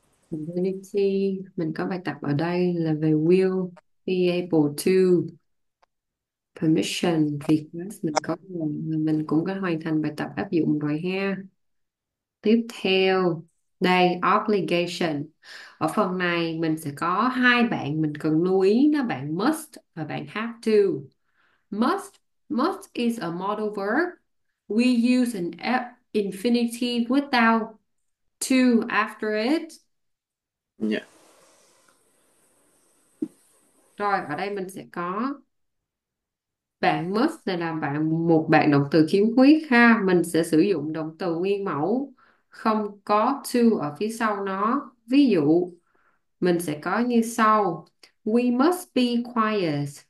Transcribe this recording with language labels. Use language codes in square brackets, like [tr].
[vi] Ability, mình có bài tập ở đây là về will be able to permission request mình có mình cũng có hoàn thành bài tập áp dụng rồi ha. Tiếp theo đây, obligation. Ở phần này mình sẽ có hai bạn mình cần lưu ý, đó bạn must và bạn have to. [en] Must is a modal verb. We use an infinitive without to after it. [vi] Rồi, ở đây mình sẽ có bạn must này là bạn một bạn động từ khiếm khuyết ha. Mình sẽ sử dụng động từ nguyên mẫu không có to ở phía sau nó. Ví dụ mình sẽ có như sau: [en] We must be quiet.